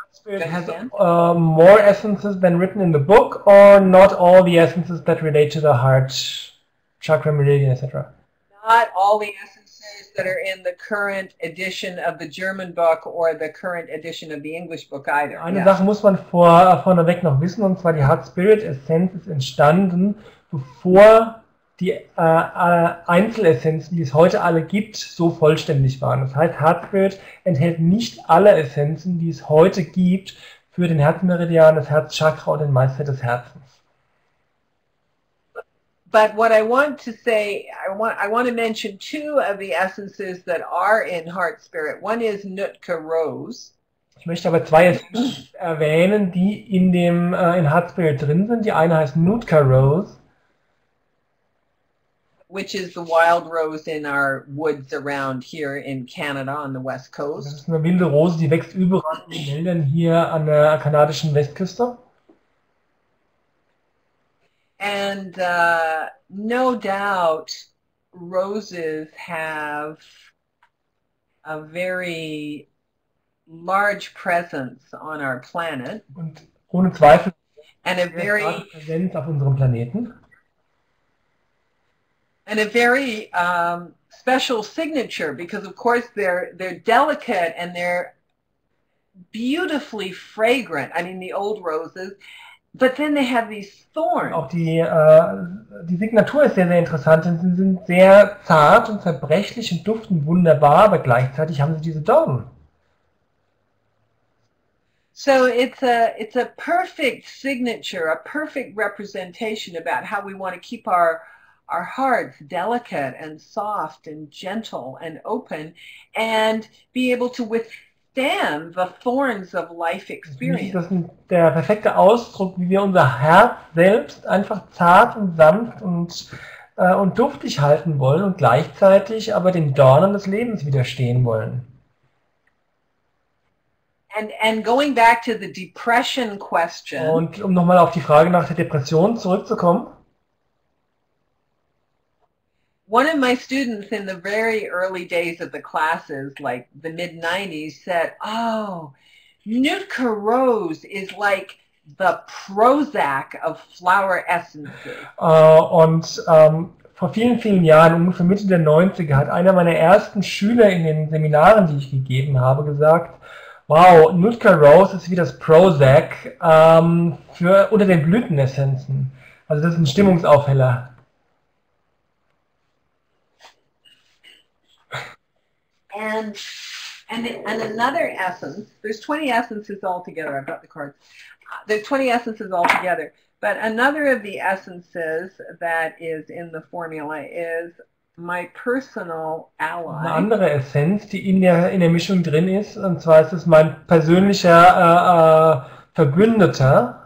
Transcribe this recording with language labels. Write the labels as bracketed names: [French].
[English] spirit has understand? more essences than written in the book, or not all the essences that relate to the heart, chakra, meridian, etc. Not all the essences that are in the current edition of the German book or the current edition of the English book either, [German] Eine [English] yes. [German] Sache muss man vorneweg noch wissen, und zwar die Heart Spirit Essenz ist entstanden, bevor die Einzelessenzen, die es heute alle gibt, so vollständig waren. Das heißt, Heart Spirit enthält nicht alle Essenzen, die es heute gibt, für den Herzmeridian, das Herzchakra und den Meister des Herzens. [English] But what I want to say, I want to mention two of the essences that are in heart spirit. One is Nootka Rose. [German] Ich möchte aber zwei erwähnen, die in Herzmeridian drin sind. Die eine heißt Nootka Rose. [English] Which is the wild rose in our woods around here in Canada on the west coast. [German] Das ist eine wilde Rose, die wächst überall in den Wäldern hier an der kanadischen Westküste. [English] And no doubt roses have a very large presence on our planet. [German] Und ohne Zweifel [English] and a [German] eine [English] very [German] starke Präsenz auf unserem Planeten. [English] And a very special signature, because of course they're delicate and they're beautifully fragrant. I mean the old roses, but then they have these thorns. [German] Auch die Signatur ist sehr, sehr interessant. Sie sind sehr zart und zerbrechlich und duften wunderbar, aber gleichzeitig haben sie diese Dornen. [English] So it's a perfect signature, a perfect representation about how we want to keep our hearts delicate and soft and gentle and open and be able to withstand the thorns of life experience. [German] Das ist der perfekte Ausdruck, wie wir unser Herz selbst einfach zart und sanft und duftig halten wollen und gleichzeitig aber den Dornen des Lebens widerstehen wollen. [English] And going back to the depression question. [German] Und um nochmal auf die Frage nach der Depression zurückzukommen. [English] One of my students in the very early days of the classes, like the mid 90s, said, "Oh, Nootka Rose is like the Prozac of flower essences." [German] Und vor vielen, vielen Jahren, ungefähr Mitte der 90er, hat einer meiner ersten Schüler in den Seminaren, die ich gegeben habe, gesagt, "Wow, Nootka Rose ist wie das Prozac unter den Blütenessenzen." Also das ist ein Stimmungsaufheller. [English] And another essence, there's 20 essences altogether, I've got the cards. There's 20 essences altogether, but another of the essences that is in the formula is my personal ally. [German] Eine andere Essenz, die in der Mischung drin ist, und zwar ist es mein persönlicher Verbündeter.